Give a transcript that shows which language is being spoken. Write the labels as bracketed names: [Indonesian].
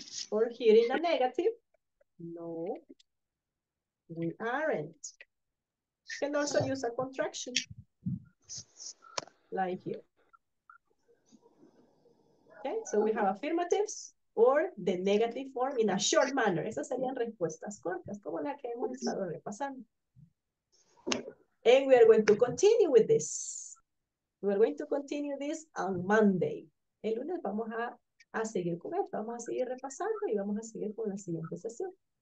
[English] Or here in the negative, no, we aren't. You can also use a contraction, like here. Okay, so we have affirmatives. Or the negative form in a short manner. [Spanish] Esas serían respuestas cortas, como la que hemos estado repasando. [English] And we are going to continue with this. We are going to continue this on Monday. [Spanish] El lunes vamos a seguir con esto. Vamos a seguir repasando y vamos a seguir con la siguiente sesión.